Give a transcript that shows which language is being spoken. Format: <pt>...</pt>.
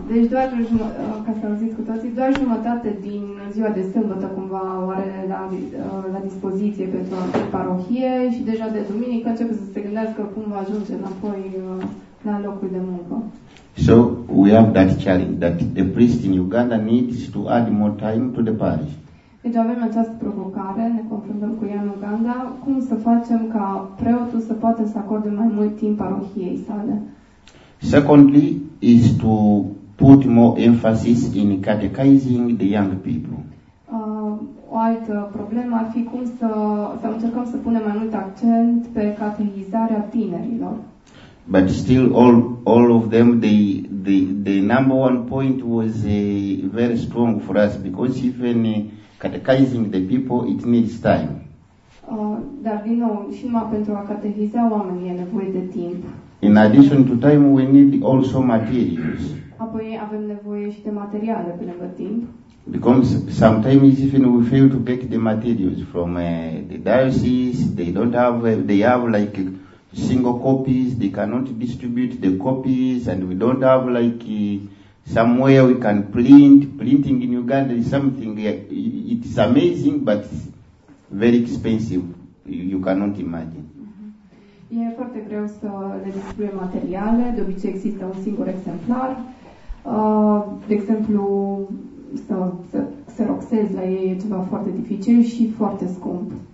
<ro>Deci doar, ca să auziți cu toții, doar jumătate din ziua de sâmbătă cumva o are la dispoziție pentru parohie și deja de duminică începe să se gândească cum va ajunge înapoi la locul de muncă.</ro> <en>So we have that challenge that the priest in Uganda needs to add more time to the parish.</en> <ro>Deci avem această provocare, ne confruntăm cu ea în Uganda, cum să facem ca preotul să poată să acorde mai mult timp parohiei sale.</ro> <en>Secondly, is to put more emphasis in catechizing the young people.</en> <ro>O altă problemă ar fi cum să încercăm să punem mai mult accent pe catehizarea tinerilor.</ro> <en>But still, all of them, the number one point was very strong for us, because even catechizing the people, it needs time.</en> <ro>Dar din nou, și numai pentru a cateheiza oamenii e nevoie de timp.</ro> <en>In addition to time, we need also materials.</en> <ro>Apoi avem nevoie și de materiale pe lângă timp.</ro> <en>Because sometimes even we fail to get the materials from the diocese, they have like single copies, they cannot distribute the copies, and we don't have like somewhere we can print. Printing in Uganda is something, it's amazing, but very expensive, you cannot imagine.</en> <ro>E foarte greu să le distribuie materiale, de obicei există un singur exemplar, de exemplu să xeroxezi la ei e ceva foarte dificil și foarte scump.</ro>